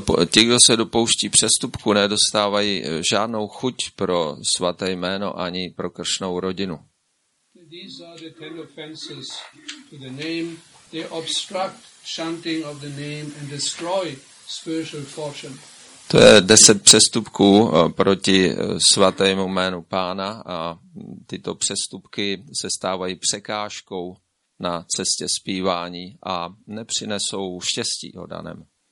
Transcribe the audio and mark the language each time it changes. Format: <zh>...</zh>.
<cs>Ti, kdo se dopouští přestupku, nedostávají žádnou chuť pro svaté jméno ani pro Kršnovu rodinu.</cs> <en>These are the ten offenses to the name. They obstruct chanting of the name and destroy spiritual fortune.</en> <cs>To je 10 přestupků proti svatému jménu Pána a tyto přestupky se stávají překážkou na cestě zpívání a nepřinesou štěstí o daném.</cs>